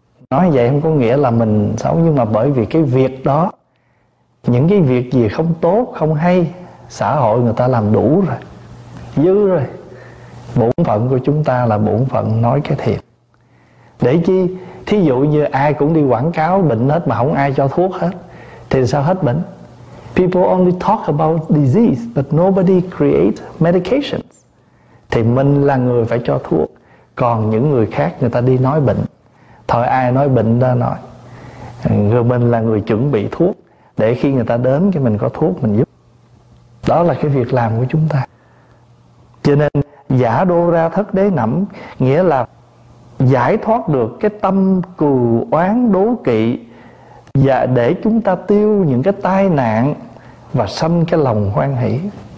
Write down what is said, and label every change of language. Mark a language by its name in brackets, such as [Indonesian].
[Vietnamese] Nói vậy không có nghĩa là mình xấu, nhưng mà bởi vì cái việc đó, những cái việc gì không tốt, không hay, xã hội người ta làm đủ rồi, dư rồi. Bổn phận của chúng ta là bổn phận nói cái thiệt. Để chi? Thí dụ như ai cũng đi quảng cáo bệnh hết mà không ai cho thuốc hết, thì sao hết bệnh? [English] People only talk about disease, but nobody creates medications. [Vietnamese] Thì mình là người phải cho thuốc. Còn những người khác, người ta đi nói bệnh, thôi ai nói bệnh ra nói. Người mình là người chuẩn bị thuốc, để khi người ta đến cái mình có thuốc mình giúp. Đó là cái việc làm của chúng ta. Cho nên giả đô ra thất đế nẩm, nghĩa là giải thoát được cái tâm cừu oán đố kỵ, và để chúng ta tiêu những cái tai nạn và sanh cái lòng hoan hỷ.